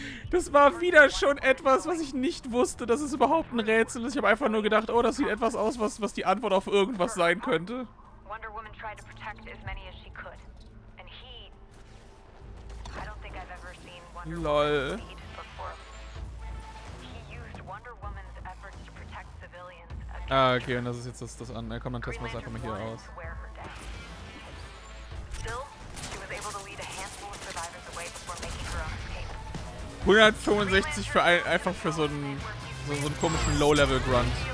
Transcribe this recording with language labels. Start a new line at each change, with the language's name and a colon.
German: Das war wieder schon etwas, was ich nicht wusste, dass es überhaupt ein Rätsel ist. Ich habe einfach nur gedacht, oh, das sieht etwas aus, was die Antwort auf irgendwas sein könnte.
English: Wonder Woman tried to protect as many as she could. And he... I don't think I've ever seen Wonder Woman lead before. He used Wonder Woman's efforts to protect civilians against...
German: Ah, okay, und das ist jetzt das an. Na, komm, dann testen wir es einfach mal hier aus.
English: Still, she was able to lead a handful of survivors away before making her own.
German: 165 für so einen komischen Low-Level-Grunt.